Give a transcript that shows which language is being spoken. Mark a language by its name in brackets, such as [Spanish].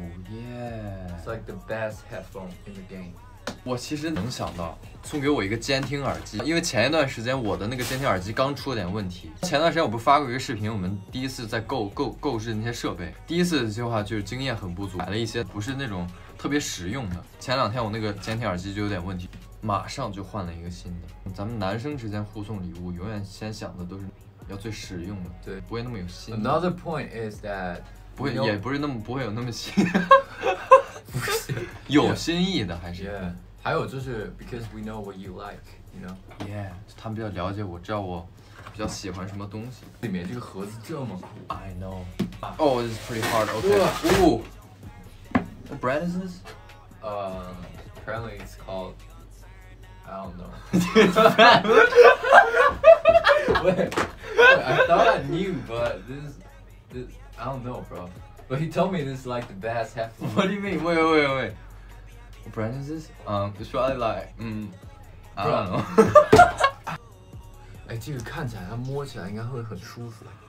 [English] It's like the best headphone in the game. [Chinese] 我其实能想到送给我一个监听耳机，因为前一段时间我的那个监听耳机刚出了点问题。前段时间我不发过一个视频，我们第一次在购置那些设备，第一次的话就是经验很不足，买了一些不是那种特别实用的。前两天我那个监听耳机就有点问题，马上就换了一个新的。咱们男生之间互送礼物，永远先想的都是要最实用的，对，不会那么有心。 [English] Another point is that [Chinese] 不会，也不是那么不会有那么心。有心意的还是 [English] yeah. Yeah. [Chinese] 还有就是 [English] because we know what you like, you know? Yeah, [Chinese] 他们比较了解我，知道我比较喜欢什么东西。里面这个盒子这么酷。 [English] I know. Oh, this is pretty hard, okay. Ooh. What brand is this? Apparently it's called, I don't know. Wait. I thought I knew, but this, I don't know, bro. But he told me this is like the best half. What do you mean? Wait. What brand is this? It's probably like, I don't know. [Chinese] 哎，这个看起来，它摸起来应该会很舒服。